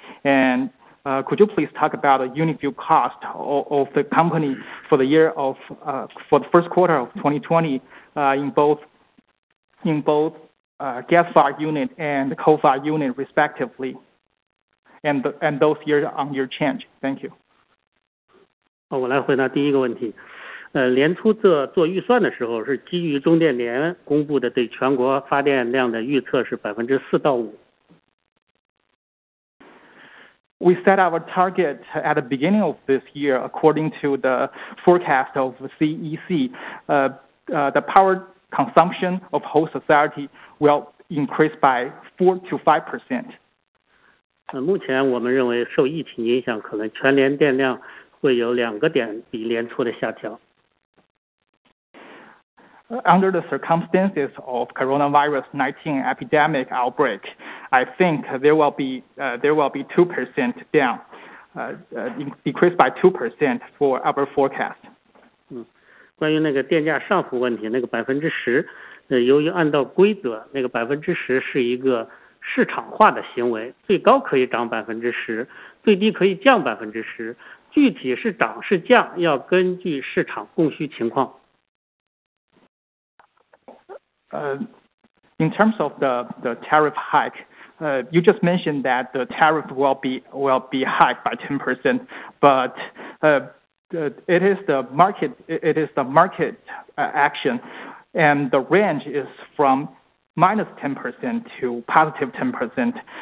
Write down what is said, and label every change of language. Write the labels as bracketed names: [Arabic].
[English] And could you please talk about the unit fuel cost of the company for the year of for the first quarter of 2020 in both gas-fired unit and coal-fired unit respectively, and those years on your change. Thank you. [Chinese] 我来回答第一个问题。年初做预算的时候是基于中电联公布的对全国发电量的预测是4%-5%。 [English] We set our target at the beginning of this year according to the forecast of CEC. The power consumption of whole society will increase by 4%-5%. [Chinese] 目前我们认为受疫情影响，可能全年电量会有两个点比年初的下调。 [English] Under the circumstances of coronavirus 19 epidemic outbreak, I think there will be 2% down, decreased by 2% for our forecast. [Chinese] 关于那个电价上浮问题，那个10%，由于按照规则，那个10%是一个市场化的行为，最高可以涨10%，最低可以降10%，具体是涨是降，要根据市场供需情况。 [English] In terms of the tariff hike, you just mentioned that the tariff will be hiked by 10%, but it is the market action, and the range is from -10% to +10%.